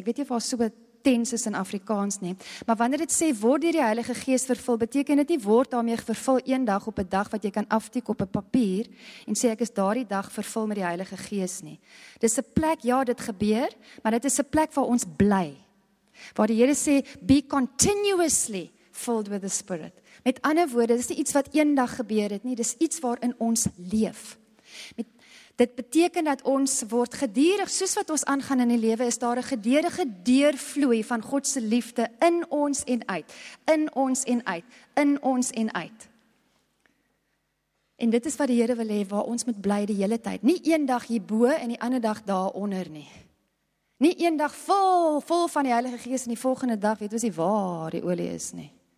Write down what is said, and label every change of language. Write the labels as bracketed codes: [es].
[af] Ek weet nie of daar so 'n tense is in Afrikaans nie. Maar wanneer dit sê word deur die Heilige Gees vervul, beteken dit nie word daarmee vervul eendag op 'n dag wat jy kan aftik op 'n papier en sê ek is daardie dag vervul met die Heilige Gees nie. Dis 'n plek, ja, dit gebeur, maar dit is 'n plek waar ons bly. Waar die Here sê [en] be continuously filled with the Spirit. [af] Met ander woorde, dis nie iets wat eendag gebeur het nie, dis iets waarin ons leef. Dit beteken dat ons word gedurig, soos wat ons aangaan in die lewe, is daar 'n gedurige deurvloei van God se liefde in ons en uit, in ons en uit, in ons en uit. En dit is wat die Here wil hê, waar ons moet bly die hele tyd. Nie een dag hierbo en die ander dag daaronder nie. Nie een dag vol van die Heilige Gees en die volgende dag weet ons nie waar die olie is nie.